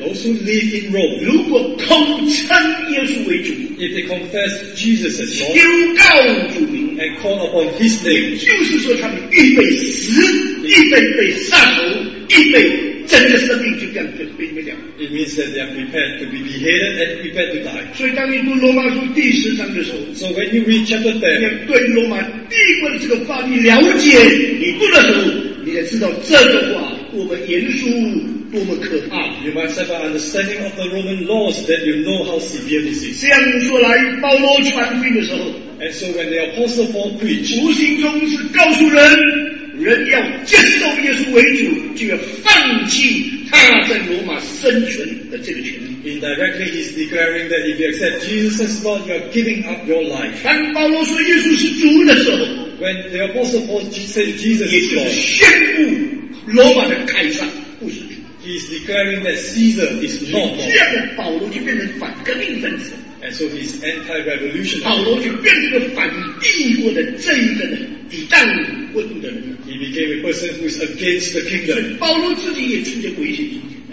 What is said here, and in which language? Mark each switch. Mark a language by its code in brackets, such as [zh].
[en] Those who live in Rome, if they confess Jesus as Lord and call upon his name, it means that they are prepared to be beheaded and prepared to die. So when you read chapter 10, you must have an understanding of the Roman laws that you know how severe this is. [zh] 这样说来, 保罗传福音的时候, [en] and so when the Apostle Paul preached, [zh] 无形中是告诉人, 人要接受耶稣为主, 就要放弃他在罗马生存的这个权利。 [en] Indirectly, he's declaring that if you accept Jesus as Lord, you are giving up your life. [zh] 当保罗说耶稣是主的时候, [en] when the Apostle Paul said Jesus is Lord, [zh] 宣布罗马的凯撒, [en] he's declaring that Caesar is not Lord. And so he's anti-revolutionary. He became a person who is against the kingdom.